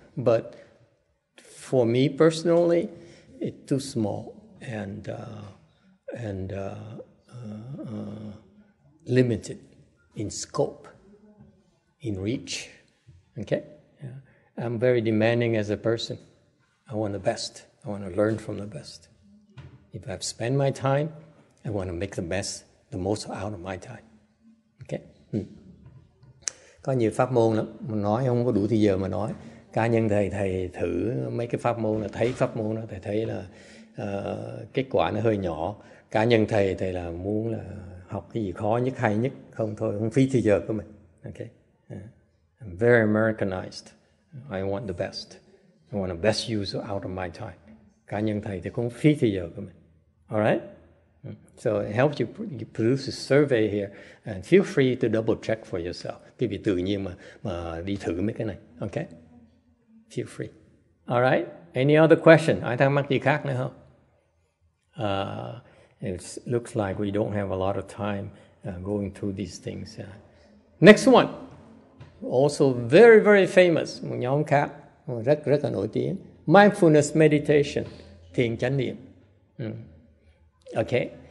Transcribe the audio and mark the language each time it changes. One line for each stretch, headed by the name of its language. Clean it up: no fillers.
English: But for me personally, it's too small and limited in scope, in reach. Okay? Yeah. I'm very demanding as a person. I want the best. I want to learn from the best. If I've spent my time, I want to make the best, the most out of my time. Okay?
Vietnamese: Có nhiều pháp môn lắm, mình nói không có đủ thời giờ mà nói. Cá nhân thầy thử mấy cái pháp môn, là thấy pháp môn đó, thầy thấy là kết quả nó hơi nhỏ. Cá nhân thầy là muốn là học cái gì khó nhất, hay nhất, không thôi, không phí thời giờ của mình.
English: Okay. Yeah. I'm very Americanized. I want the best. I want the best use out of my time.
Vietnamese: Cá nhân thầy thì không phí thời giờ của mình.
English: All right? So it helps you produce a survey here, and feel free to double check for yourself.
Vietnamese: Quý vị tự nhiên mà đi thử mấy cái này.
English: Okay? Feel free. All right? Any other question?
Vietnamese: Ai thắc mắc gì khác nữa không?
English: It looks like we don't have a lot of time going through these things. Next one. Also very, very famous.
Vietnamese: Một nhóm khác. Rất, rất là nổi tiếng.
English: Mindfulness meditation.
Vietnamese: Thiền chánh niệm.
English: Okay?